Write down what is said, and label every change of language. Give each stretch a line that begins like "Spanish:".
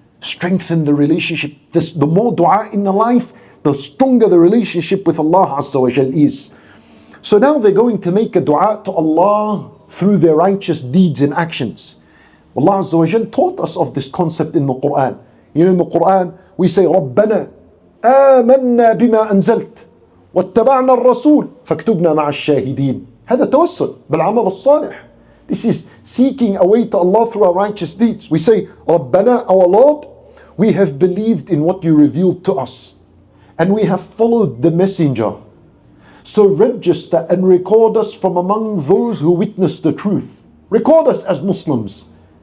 English: Strengthen the relationship. The more dua in the life, the stronger the relationship with Allah Azza wa Jal is. So now they're going to make a dua to Allah through their righteous deeds and actions. Allah Azza wa Jal taught us of this concept in the Quran. You know, in the Quran, we say,
Arabic: رَبَّنَا آمَنَّا بِمَا أَنزَلْتَ وَاتَّبَعْنَا الرَّسُولَ فَاكْتُبْنَا مَعَ الشَّاهِدِينَ. هذا توسل بالعمل الصالح.
English: This is seeking a way to Allah through our righteous deeds. We say, Rabbana, our Lord, we have believed in what you revealed to us. And we have followed the messenger. So register and record us from among those who witness the truth. Record us as Muslims.